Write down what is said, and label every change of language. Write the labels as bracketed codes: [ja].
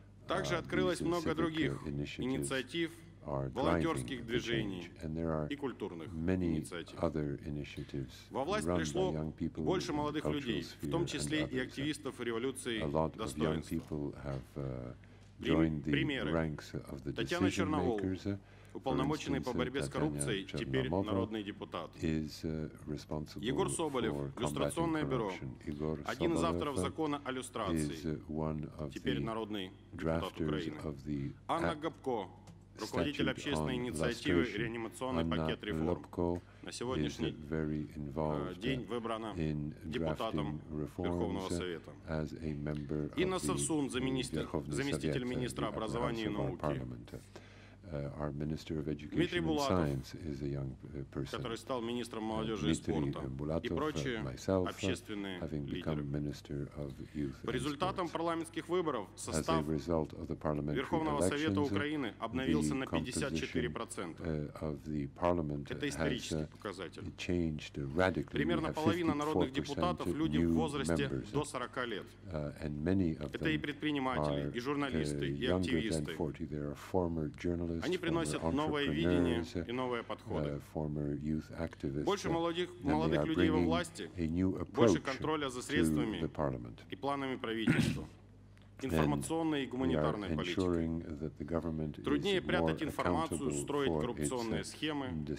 [en] Are driving the change, and there are many other initiatives run by young people in the cultural sphere and others. A lot of young people have joined the ranks of the decision makers. [ru] Уполномоченный по борьбе с коррупцией, теперь народный депутат. Егор Соболев, люстрационное бюро. Один из авторов закона о люстрации, теперь народный депутат Украины. Анна Гопко, руководитель общественной инициативы «Реанимационный пакет реформ». На сегодняшний день выбрана депутатом Верховного Совета. Инна Совсун, заместитель министра образования и науки. [en] Our Minister of Education and Science is a young person. Dmitry Bulatov, myself, having become Minister of Youth and Sports. As a result of the parliamentary elections, the composition of the parliament has changed radically. We have 54% of new members, and many of them are younger than 40. They are former journalists. [ru] Они приносят новое видение и новые подходы. Больше молодых людей во власти, больше контроля за средствами и планами правительства. Информационная и гуманитарная политика. Труднее прятать информацию, строить коррупционные схемы,